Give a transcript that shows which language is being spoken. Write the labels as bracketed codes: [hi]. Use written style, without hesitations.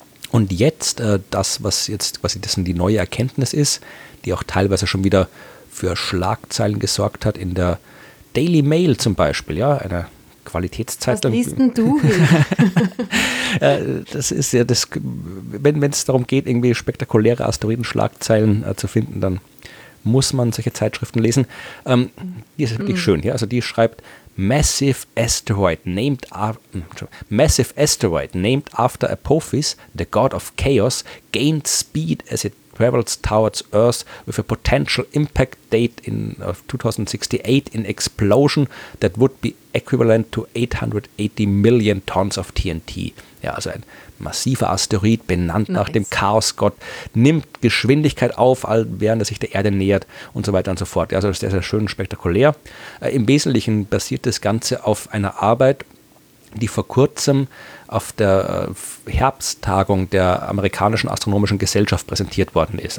[de] Und jetzt, das, was jetzt quasi das die neue Erkenntnis ist, die auch teilweise schon wieder für Schlagzeilen gesorgt hat, in der Daily Mail zum Beispiel, ja, eine Qualitätszeitung. Was liest denn du? Das ist ja das, wenn es darum geht, irgendwie spektakuläre Asteroidenschlagzeilen zu finden, dann muss man solche Zeitschriften lesen. Die ist wirklich schön, ja, also die schreibt: [en] Massive asteroid named after Apophis, the god of chaos, gained speed as it travels towards Earth with a potential impact date in 2068 in explosion that would be equivalent to 880 million tons of TNT. [de] Ja, also ein massiver Asteroid, benannt nach dem Chaosgott, nimmt Geschwindigkeit auf, während er sich der Erde nähert und so weiter und so fort. Also das ist sehr, sehr schön spektakulär. Im Wesentlichen basiert das Ganze auf einer Arbeit, die vor kurzem auf der Herbsttagung der amerikanischen Astronomischen Gesellschaft präsentiert worden ist.